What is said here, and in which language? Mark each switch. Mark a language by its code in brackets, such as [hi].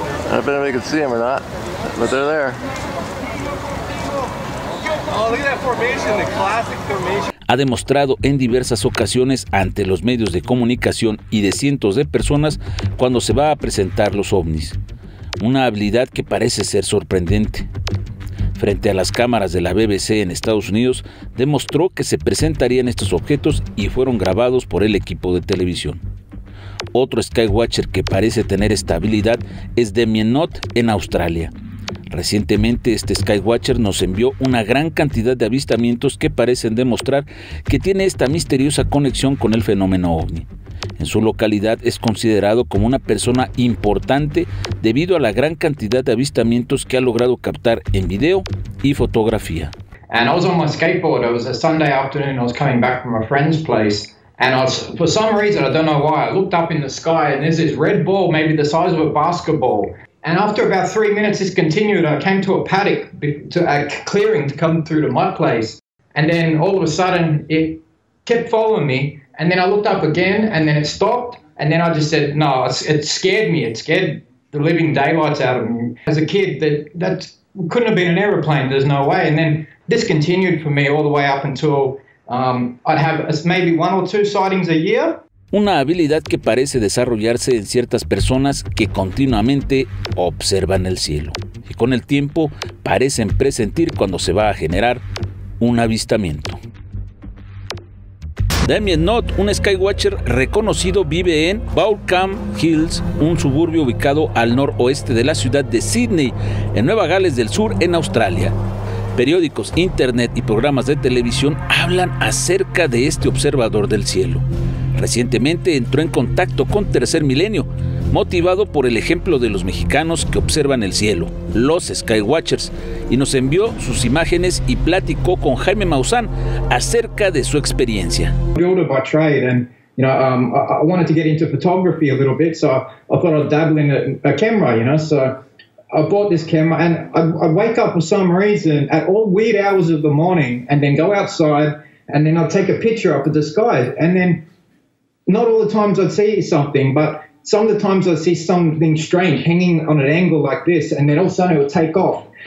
[en] I don't know if anybody can see them or not, but they're there. [es] Ha demostrado en diversas ocasiones ante los medios de comunicación y de cientos de personas cuando se va a presentar los ovnis, una habilidad que parece ser sorprendente. Frente a las cámaras de la BBC en Estados Unidos, demostró que se presentarían estos objetos y fueron grabados por el equipo de televisión. Otro Skywatcher que parece tener esta habilidad es Damien Knott en Australia. Recientemente este Skywatcher nos envió una gran cantidad de avistamientos que parecen demostrar que tiene esta misteriosa conexión con el fenómeno OVNI. En su localidad es considerado como una persona importante debido a la gran cantidad de avistamientos que ha logrado captar en video y fotografía. [en] And I was on my skateboard. It was a Sunday afternoon. I was coming back from a friend's place. And I was, for some reason, I don't know why, I looked up in the sky and there's this red ball, maybe the size of a basketball. And after about 3 minutes, this continued. I came to a paddock, to a clearing to come through to my place. And then all of a sudden, it kept following me. And then I looked up again, and then it stopped. And then I just said, no, it scared me. It scared the living daylights out of me. As a kid, that couldn't have been an airplane. There's no way. And then this continued for me all the way up until I'd have maybe one or two sightings a year. [es] Una habilidad que parece desarrollarse en ciertas personas que continuamente observan el cielo y con el tiempo parecen presentir cuando se va a generar un avistamiento. Damien Knott, un Skywatcher reconocido, vive en Baulkham Hills, un suburbio ubicado al noroeste de la ciudad de Sydney, en Nueva Gales del Sur, en Australia. Periódicos, internet y programas de televisión hablan acerca de este observador del cielo. Recientemente entró en contacto con Tercer Milenio, motivado por el ejemplo de los mexicanos que observan el cielo, los Skywatchers, y nos envió sus imágenes y platicó con Jaime Maussan acerca de su experiencia. [en] Builder by trade, and you know, I wanted to get into photography a little bit, so I thought I'd dabble in a camera, you know. So I bought this camera, and I wake up for some reason at all weird hours of the morning, and then go outside, and then I'd take a picture up at the sky, and then not all the times I'd see something, but some of the times I'd see something strange hanging on an angle like this, and then all of a sudden it would take off.